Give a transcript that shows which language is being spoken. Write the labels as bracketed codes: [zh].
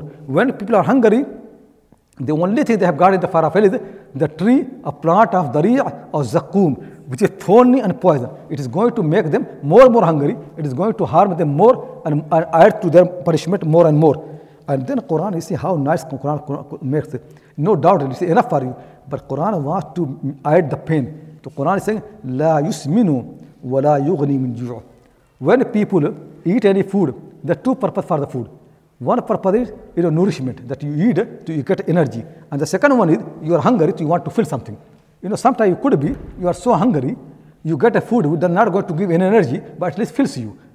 [en] When people are hungry, the only thing they have got in the Farafel is the tree, a plant of dari' or zakkum, which is thorny and poison. It is going to make them more and more hungry. It is going to harm them more and add to their punishment more and more. And then Quran, you see how nice Quran makes it. No doubt, it's enough for you. But Quran wants to add the pain. So Quran is saying, [ar] لا يسمن ولا يغني من جوع. [en] When people eat any food, there are two purposes for the food. One purpose is, you know, nourishment, that you eat to you get energy. And the second one is, you are hungry, so you want to feel something. You know, sometimes you could be, you are so hungry, you get a food which is not going to give any energy, but at least fills you.